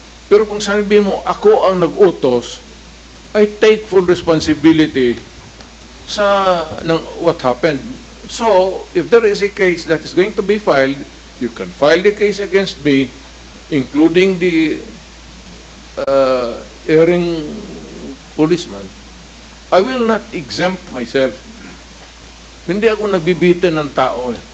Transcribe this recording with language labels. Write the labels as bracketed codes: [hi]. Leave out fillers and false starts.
[tl] Pero kung sabihin mo, ako ang nag-utos, [en] I take full responsibility [tl] sa ng [en] what happened. So, if there is a case that is going to be filed, you can file the case against me, including the erring policeman. I will not exempt myself. [tl] Hindi ako nagbibitin ng tao.